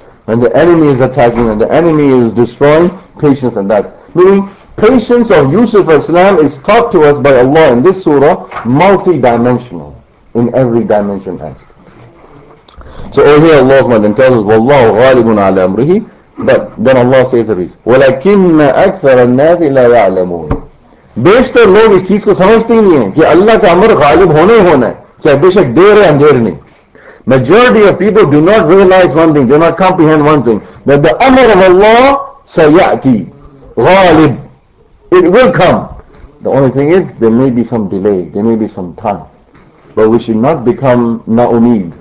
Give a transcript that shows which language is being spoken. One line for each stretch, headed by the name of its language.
English: When the enemy is attacking and the enemy is destroying, patience in that. Meaning, patience of Yusuf al-Islam is taught to us by Allah in this surah, multi-dimensional, in every dimension aspect. So over here Allah then tells us,
Arabic: وَاللَّهُ غَالِبٌ عَلَى أَمْرِهِ.
English: But then Allah says a reason.
Arabic: وَلَكِنَّ أَكْثَرَ النَّاسِ لَا يَعْلَمُونَ
Urdu: بیشتر لوگ اس چیز کو سمجھتے ہی نہیں ہیں کہ اللہ کا امر غالب ہونے ہونا ہے چاہے بے شک دیر ہے اندھیر نہیں.
English: Majority of people do not realize one thing, do not comprehend one thing, that the amr of Allah سَيَعْتِ غَالِب. It will come. The only thing is, there may be some delay, there may be some time. But we should not become na'umid.